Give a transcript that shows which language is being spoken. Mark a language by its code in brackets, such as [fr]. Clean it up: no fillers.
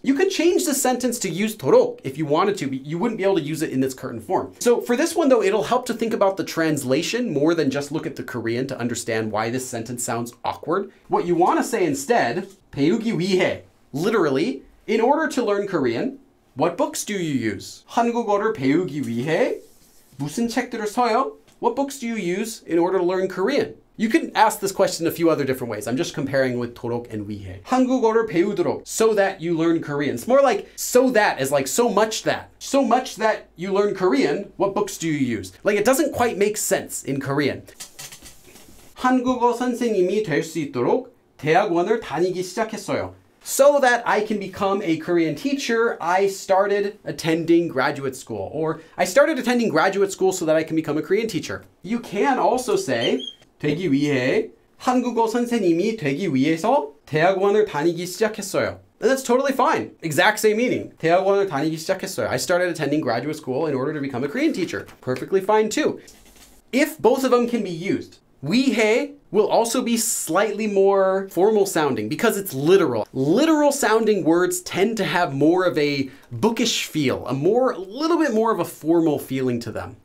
[en] You could change the sentence to use 도록 if you wanted to, but you wouldn't be able to use it in this current form. So for this one though, it'll help to think about the translation more than just look at the Korean to understand why this sentence sounds awkward. What you want to say instead, 배우기 위해, literally, in order to learn Korean, what books do you use? [ko] 한국어를 배우기 위해 무슨 책들을 써요? [en] What books do you use in order to learn Korean? You can ask this question a few other different ways. I'm just comparing with 도록 and 위해. [ko] 한국어를 배우도록. [en] So that you learn Korean. It's more like so that is like so much that. So much that you learn Korean, what books do you use? Like it doesn't quite make sense in Korean. [ko] 한국어 선생님이 될 수 있도록 대학원을 다니기 시작했어요. [en] So that I can become a Korean teacher, I started attending graduate school. Or I started attending graduate school so that I can become a Korean teacher. You can also say, [ko] 되기 위해 한국어 선생님이 되기 위해서 대학원을 다니기 시작했어요. [en] And that's totally fine. Exact same meaning. [ko] 대학원을 다니기 시작했어요. [en] I started attending graduate school in order to become a Korean teacher. Perfectly fine too. If both of them can be used, 위해 will also be slightly more formal sounding because it's literal. Literal sounding words tend to have more of a bookish feel, a little bit more of a formal feeling to them.